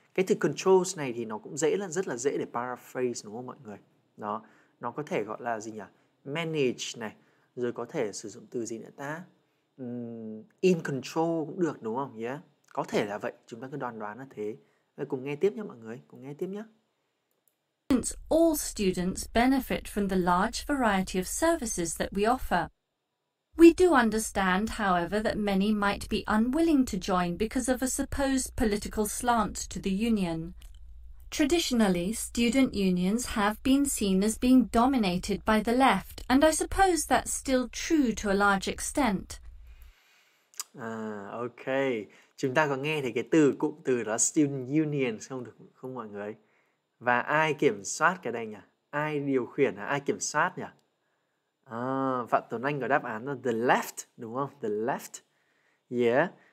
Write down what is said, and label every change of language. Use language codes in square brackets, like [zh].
[vi] Cái từ controls này thì nó cũng dễ là rất là dễ để paraphrase đúng không mọi người? Đó, nó có thể gọi là gì nhỉ? Manage này, rồi có thể sử dụng từ gì nữa ta? In control cũng được đúng không? Yeah. Có thể là vậy, chúng ta cứ đoán là thế. Rồi cùng nghe tiếp nhé mọi người, cùng nghe tiếp nhé. [en] Since all students benefit from the large variety of services that we offer. We do understand, however, that many might be unwilling to join because of a supposed political slant to the union. Traditionally, student unions have been seen as being dominated by the left, and I suppose that's still true to a large extent. Okay. [vi] Chúng ta có nghe thấy cái từ, cụm từ đó student union không được không mọi người? Và ai kiểm soát cái đây nhỉ? Ai điều khiển, ai kiểm soát nhỉ? À, Phạm Tuấn Anh có đáp án là the left đúng không? The left. Yeah.